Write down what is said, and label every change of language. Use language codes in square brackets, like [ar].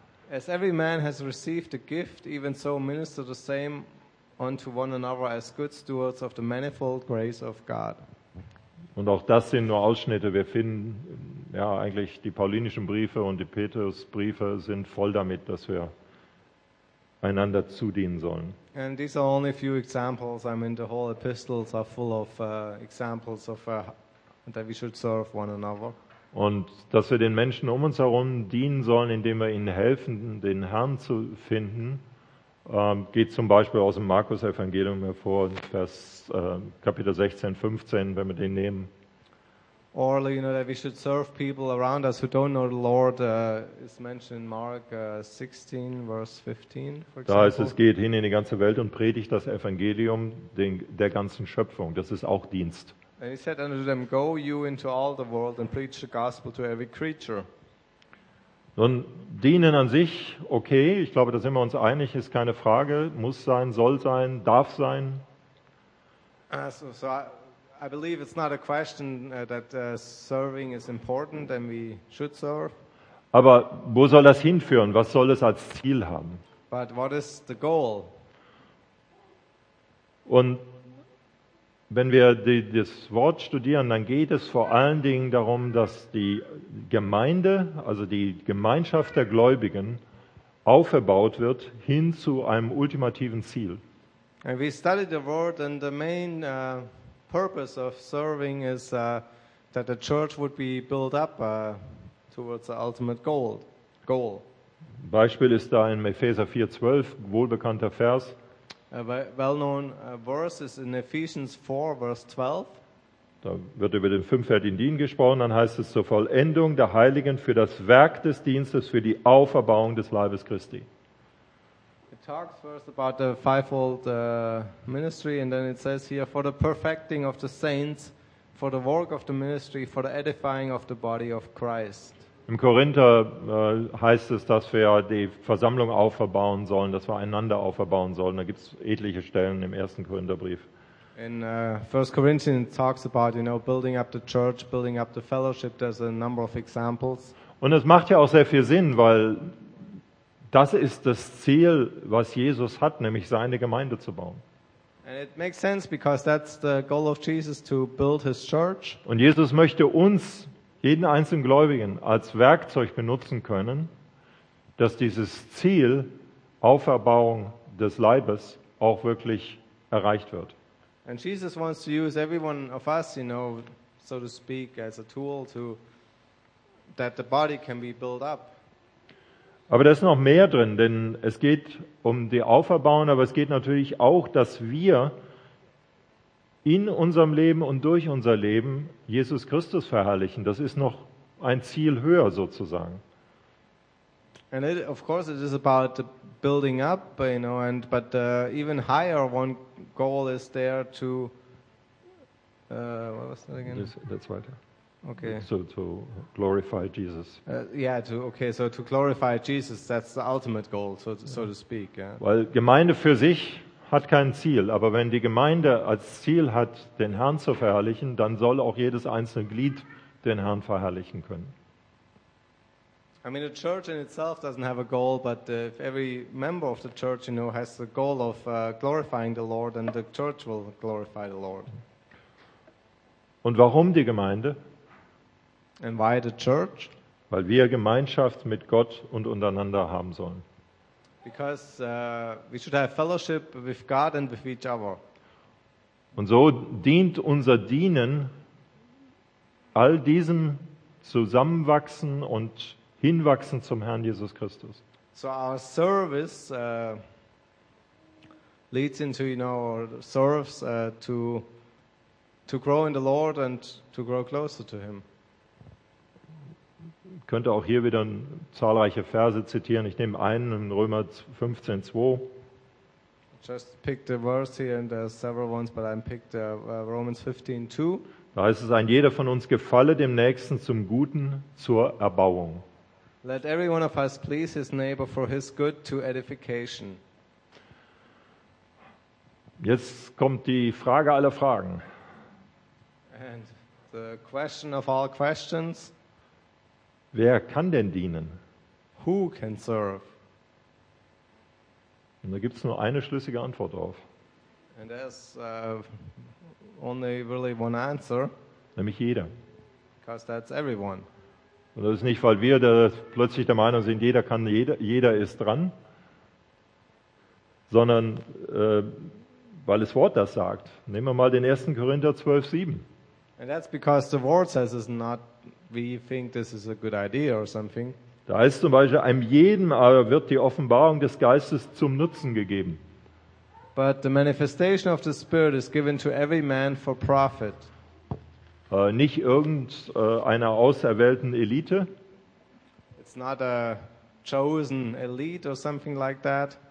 [en] As every man has received a gift, even so minister the same unto one another as good stewards of the manifold grace of God. [de] Und auch das sind nur Ausschnitte. Wir finden, ja, eigentlich die paulinischen Briefe und die Petrusbriefe sind voll damit, dass wir einander zudienen sollen. [en] And these are only a few examples. I mean, the whole epistles are full of examples of that we should serve one another. [de] Und dass wir den Menschen um uns herum dienen sollen, indem wir ihnen helfen, den Herrn zu finden, geht zum Beispiel aus dem Markus-Evangelium hervor, Vers Kapitel 16, 15, wenn wir den nehmen. [en] Or, you know, that we should serve people around us who don't know the Lord is mentioned in Mark 16, Verse 15, for example. [de] Da heißt es, geht hin in die ganze Welt und predigt das Evangelium der ganzen Schöpfung. Das ist auch Dienst. [en] And he said unto them, go you into all the world and preach the gospel to every creature. [de] Nun, dienen an sich, okay, ich glaube, da sind wir uns einig, ist keine Frage, muss sein, soll sein, darf sein. [en] I believe it's not a question that serving is important and we should serve. [de] Aber wo soll das hinführen? Was soll es als Ziel haben? [en] But what is the goal? [de] Und wenn wir das Wort studieren, dann geht es vor allen Dingen darum, dass die Gemeinde, also die Gemeinschaft der Gläubigen, aufgebaut wird hin zu einem ultimativen Ziel. [en] And we studied the word and the main purpose of serving is that the church would be built up towards the ultimate goal. [de] Beispiel ist da in Epheser 4:12, wohlbekannter Vers. [en] A well-known verse is in Ephesians 4, verse 12. [de] Da wird über den fünffältigen Dienst gesprochen, dann heißt es zur Vollendung der Heiligen für das Werk des Dienstes, für die Auferbauung des Leibes Christi. [en] Talks first about the fivefold ministry, and then it says here for the perfecting of the saints, for the work of the ministry, for the edifying of the body of Christ. [de] Im Korinther heißt es, dass wir die Versammlung aufbauen sollen, dass wir einander aufbauen sollen. Da gibt es etliche Stellen im ersten Korintherbrief. [en] In 1 Corinthians it talks about, you know, building up the church, building up the fellowship. There's a number of examples. [de] Und es macht ja auch sehr viel Sinn, weil das ist das Ziel, was Jesus hat, nämlich seine Gemeinde zu bauen. [en] And it makes sense because that's the goal of Jesus to build his church. [de] Und Jesus möchte uns, jeden einzelnen Gläubigen, als Werkzeug benutzen können, dass dieses Ziel Auferbauung des Leibes auch wirklich erreicht wird. [en] And Jesus wants to use every one of us, you know, so to speak, as a tool to that the body can be built up. [de] Aber da ist noch mehr drin, denn es geht um die Auferbauung, aber es geht natürlich auch, dass wir in unserem Leben und durch unser Leben Jesus Christus verherrlichen. Das ist noch ein Ziel höher sozusagen. [en] And it, of course it is about the building up, you know, and but the even higher one goal is there to what was that again? That's right. Okay. So to glorify Jesus. To glorify Jesus, that's the ultimate goal, so to speak. Yeah. [de] Weil Gemeinde für sich hat kein Ziel, aber wenn die Gemeinde als Ziel hat, den Herrn zu verherrlichen, dann soll auch jedes einzelne Glied den Herrn verherrlichen können. [en] I mean, the church in itself doesn't have a goal, but if every member of the church, you know, has the goal of glorifying the Lord, then the church will glorify the Lord. [de] Und warum die Gemeinde? [en] And why the church? [de] Weil wir Gemeinschaft mit Gott und untereinander haben sollen. [en] Because we should have fellowship with God and with each other. [de] Und so dient unser Dienen all diesem Zusammenwachsen und Hinwachsen zum Herrn Jesus Christus. [en] So our service leads into, you know, or serves to grow in the Lord and to grow closer to Him. [de] Ich könnte auch hier wieder zahlreiche Verse zitieren. Ich nehme einen in Römer 15, 2. [en] Just picked a verse here and there are several ones, but I picked Romans 15, 2. [de] Da heißt es, ein jeder von uns gefalle dem Nächsten zum Guten, zur Erbauung. [en] Let every one of us please his neighbor for his good to edification. [de] Jetzt kommt die Frage aller Fragen. [en] And the question of all questions. [de] Wer kann denn dienen? [en] Who can serve? [de] Und da gibt es nur eine schlüssige Antwort drauf. [en] And there's only really one answer. [de] Nämlich jeder. [en] Because that's everyone. [de] Und das ist nicht, weil wir da plötzlich der Meinung sind, jeder kann, jeder ist dran, sondern weil das Wort das sagt. Nehmen wir mal den 1. Korinther 12, 7. [en] And that's because the word says it's not. We think this is a good idea or something. [de] Da heißt zum Beispiel, einem jedem aber wird die Offenbarung des Geistes zum Nutzen gegeben. [en] But the manifestation of the Spirit is given to every man for profit. [de] Nicht irgendeiner auserwählten Elite. [en] It's not a chosen elite or something like that.